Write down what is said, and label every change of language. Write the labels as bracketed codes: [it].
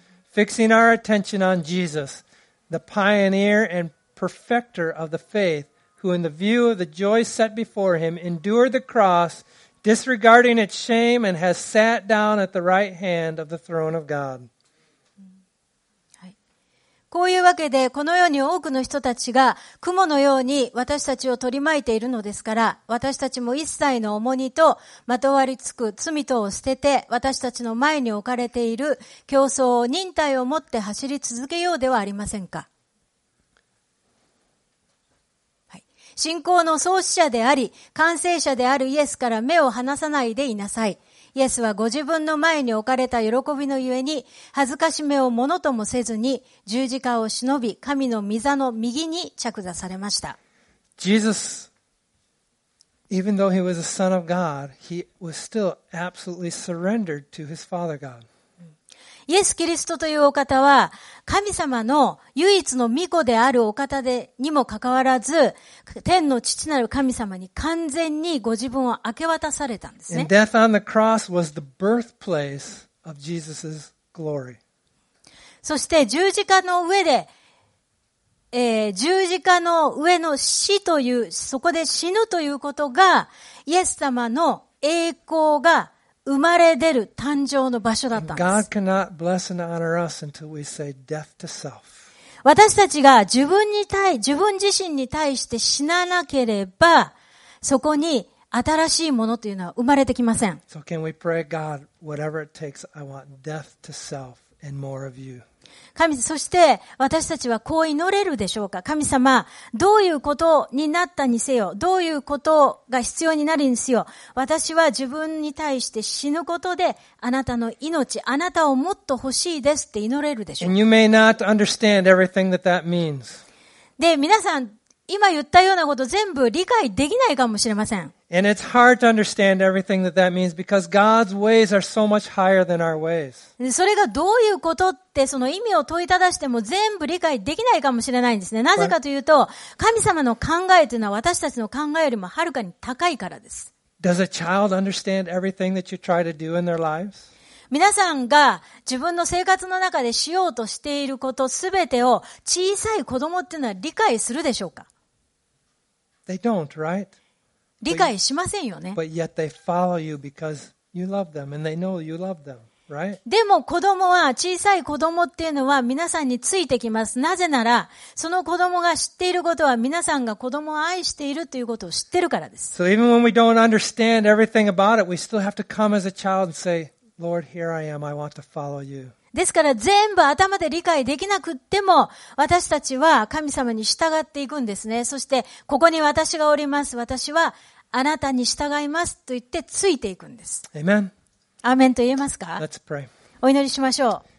[en] Fixing our attention on Jesus, the pioneer and perfecter of the faith, who in the view of the joy set before him endured the cross, disregarding its shame and has sat down at the right hand of the throne of God. [ja] こういうわけで、このように多くの人たちが雲のように私たちを取り巻いているのですから、私たちも一切の重荷とまとわりつく罪とを捨てて、私たちの前に置かれている競争を忍耐を持って走り続けようではありませんか。はい、信仰の創始者であり、完成者であるイエスから目を離さないでいなさい。イエスはご自分の前に置かれた喜びのゆえに、恥ずかしめをものともせずに、十字架を忍び、神の御座の右に着座されました。 [en] Jesus Even though he was a son of God, he was still absolutely surrendered to his Father God. [ja] イエス・キリストというお方は神様の唯一の御子であるお方でにもかかわらず、天の父なる神様に完全にご自分を明け渡されたんですね。 [en] And death on the cross was the birthplace of Jesus's glory. [ja] そして十字架の上で、十字架の上の死という、そこで死ぬということが、イエス様の栄光が生まれ出る誕生の場所だったんです。 [en] God cannot bless and honor us until we say death to self. [ja] 私たちが自分自身に対して死ななければ、そこに新しいものというのは生まれてきません。 [en] So can we pray, God, whatever it takes, I want death to self and more of you. [ja] 神、そして私たちはこう祈れるでしょうか。神様、どういうことになったにせよ、どういうことが必要になるにせよ、私は自分に対して死ぬことであなたの命、あなたをもっと欲しいですって祈れるでしょうか。 [en] And you may not understand everything that that means. [ja] で、皆さん、今言ったようなこと全部理解できないかもしれません。 [en] And it's hard to understand everything that that means because God's ways are so much higher than our ways. [ja] それがどういうことってその意味を問いただしても全部理解できないかもしれないんですね。なぜかというと、神様の考えというのは私たちの考えよりもはるかに高いからです。 [en] Does a child understand everything that you try to do in their lives? [ja] 皆さんが自分の生活の中でしようとしていることすべてを小さい子供っていうのは理解するでしょうか? [en] They don't, right? [ja] 理解しませんよね。 [en] But yet they follow you because you love them and they know you love them, right? [ja] でも子供は、小さい子供っていうのは皆さんについてきます。なぜなら、その子供が知っていることは皆さんが子供を愛しているということを知ってるからです。 [en] So even when we don't understand everything about it, we still have to come as a child and say, Lord, here I am, I want to follow you. [ja] ですから全部頭で理解できなくっても私たちは神様に従っていくんですね。そしてここに私がおります、私はあなたに従いますと言ってついていくんです。 [en] Amen. [ja] アーメンと言えますか。 [en] Let's pray. [ja] お祈りしましょう。